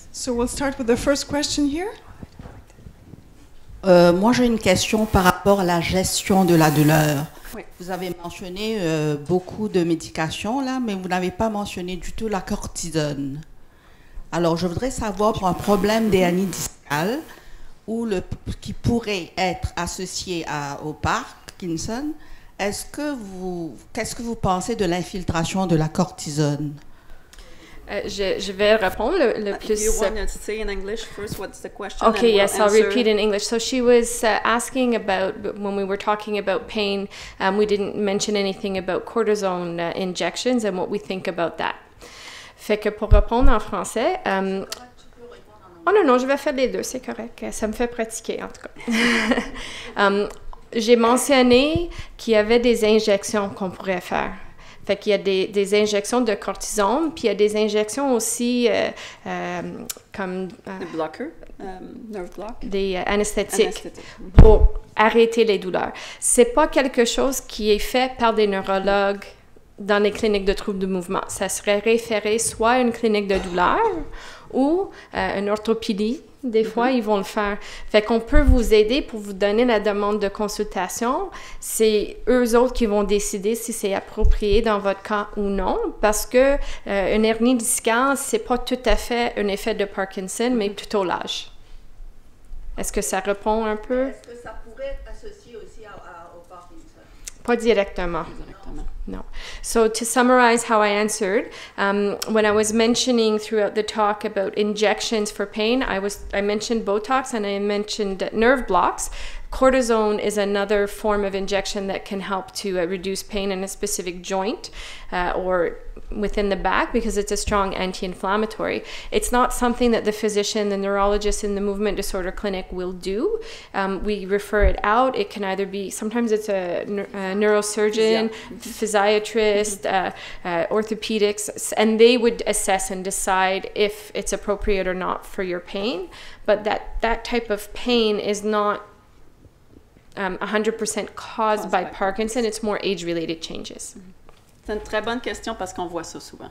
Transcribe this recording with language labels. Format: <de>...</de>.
<en>So we'll start with the first question here.</en> <fr>Moi, j'ai une question par rapport à la gestion de la douleur. Oui. Vous avez mentionné beaucoup de médications là, mais vous n'avez pas mentionné du tout la cortisone. Alors, je voudrais savoir pour un problème des hernies discales ou le qui pourrait être associé au Parkinson, qu'est-ce que vous pensez de l'infiltration de la cortisone? Je vais répondre le plus.</fr> <en>If you want to say in English first, what's the question? Okay, we'll yes, answer. I'll repeat in English. So she was asking about, when we were talking about pain, we didn't mention anything about cortisone injections and what we think about that.</en> <fr>Fait que pour répondre en français. Oh non, je vais faire les deux, c'est correct. Ça me fait pratiquer en tout cas. J'ai mentionné qu'il y avait des injections qu'on pourrait faire. Fait qu'il y a des injections de cortisone, puis il y a des injections aussi comme... Des</fr> <en>blockers, nerve block.</en> <fr>Des anesthétiques pour arrêter les douleurs. C'est pas quelque chose qui est fait par des neurologues dans les cliniques de troubles de mouvement. Ça serait référé soit à une clinique de douleur ou une orthopédie. Des fois, ils vont le faire. Fait qu'on peut vous aider pour vous donner la demande de consultation. C'est eux autres qui vont décider si c'est approprié dans votre cas ou non. Parce que une hernie discale, c'est pas tout à fait un effet de Parkinson, mais plutôt l'âge. Est-ce que ça répond un peu? Est-ce que ça pourrait être associé aussi au Parkinson? Pas directement.</fr> <en>No. So to summarize how I answered, when I was mentioning throughout the talk about injections for pain, I mentioned Botox and I mentioned nerve blocks. cortisone is another form of injection that can help to reduce pain in a specific joint or within the back, because it's a strong anti-inflammatory. It's not something that the physician, the neurologist in the movement disorder clinic will do. We refer it out. It can either be, sometimes it's a neurosurgeon, physiatrist, orthopedics, and they would assess and decide if it's appropriate or not for your pain. But that type of pain is not 100% caused by Parkinson. It's more age-related changes.</en> <fr>C'est une très bonne question parce qu'on voit ça souvent.</fr>